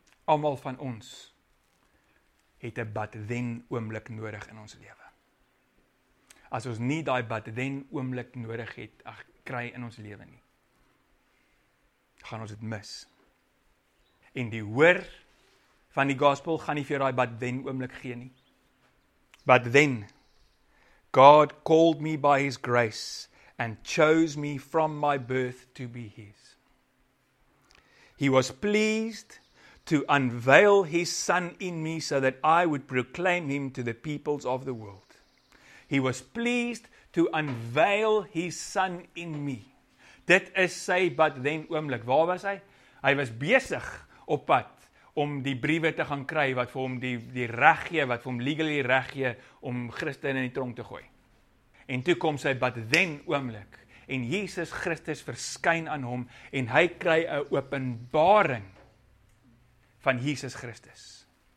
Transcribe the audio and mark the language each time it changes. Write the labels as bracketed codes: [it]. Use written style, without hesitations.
[af] Almal van ons het 'n but then oomblik nodig in ons lewe. As ons nie die but then oomblik nodig het, kry in ons lewe nie, gaan ons dit mis. En die hoor van die gospel gaan nie vir die but then oomblik gee nie. [en] But then, God called me by his grace and chose me from my birth to be his. He was pleased to unveil his son in me so that I would proclaim him to the peoples of the world. He was pleased to unveil his son in me. [af] Dit is sy but then oomblik. Waar was hy? Hy was besig op pad om die briewe te gaan kry wat vir hom die reg gee, wat vir hom legally reg gee om Christen in die tronk te gooi. En toe kom sy but then oomblik en Jesus Christus verskyn aan hom en hy kry 'n openbaring van Jesus Christus.